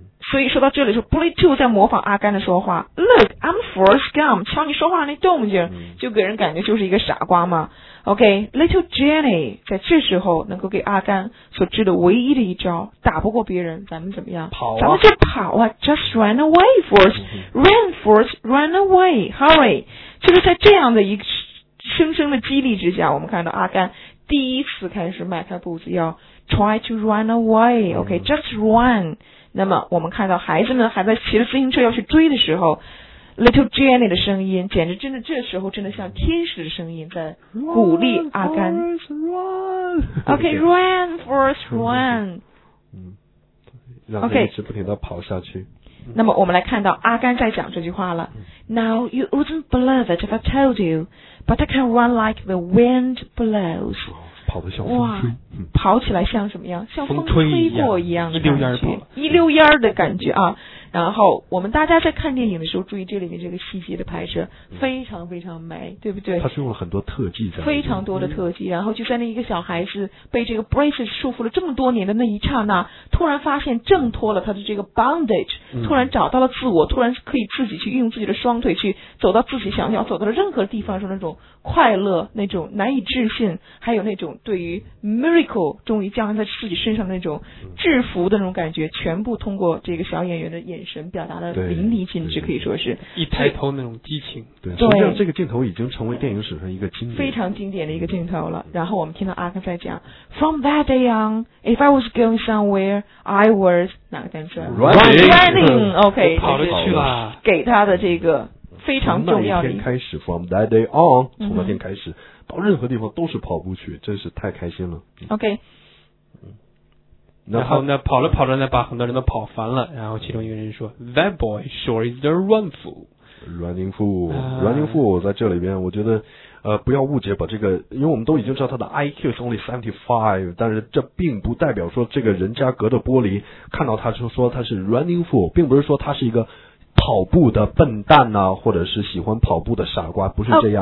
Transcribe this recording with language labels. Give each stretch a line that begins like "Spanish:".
Chinese: 所以说到这里说 Bully 2在模仿阿甘的说话
English: Look I'm Forrest Gump，
Chinese: 瞧你说话那动静就给人感觉就是一个傻瓜嘛。 OK Little Jenny 在这时候能够给阿甘所知的唯一的一招，打不过别人咱们怎么样跑、啊、咱们就跑啊，
English: Just run away Forrest， Run Forrest， Run away Hurry。
Chinese: 就是在这样的一个生生的激励之下，我们看到阿甘第一次开始迈开步子要
English: Try to run away。 OK Just run。
Chinese: 那么我们看到孩子们还在骑着自行车要去追的时候， Little Jenny 的声音简直真的这时候真的像天使的声音在鼓励阿甘。
English: OK run Forrest run、
Chinese: 让他一直不停地跑下去、那么我们来看到阿甘在讲这句话了、
English: Now you wouldn't believe it if I told you but I can run like the wind blows、
Chinese: 跑得像风吹，跑起来像什么样，像风吹过一样的感觉，一溜烟的感觉啊。然后我们大家在看电影的时候注意这里面这个细节的拍摄，非常非常美，对不对？他是用了很多特技在，非常多的特技，然后就在那一个小孩子被这个 braces 束缚了这么多年的那一刹那，突然发现挣脱了他的这个 bondage， 突然找到了自我，突然可以自己去运用自己的双腿去走到自己想要走到的任何地方的时候，那种快乐，那种难以置信，还有那种对于 miracle 终于降临在自己身上的那种制服的那种感觉，全部通过这个小演员的演神表达的淋漓尽致，可以说是一抬头那种激情。对，对，实际上这个镜头已经成为电影史上一个经典，非常经典的一个镜头了。然后我们听到阿克在讲
English: ，From that day on, if I was going somewhere, I was
Chinese: 哪个单词
English: ？Running. OK，
Chinese: 跑了去了。给他的这个非常重要的。从那一天开始 ，
English: From that day on，
Chinese: 从那天开始，到任何地方都是跑步去，真是太开心了。
English: OK。
Chinese: 然后呢，跑了跑着呢，把很多人都跑烦了。然后其中一个人说
English: ：“That boy sure is a run fool. Running fool,、running fool。”
Chinese: 在这里边，我觉得，不要误解，把这个，因为我们都已经知道他的 IQ 是 only 75， 但是这并不代表说这个人家隔着玻璃看到他就说他是 running fool， 并不是说他是一个跑步的笨蛋呐、或者是喜欢跑步的傻瓜，不是这样。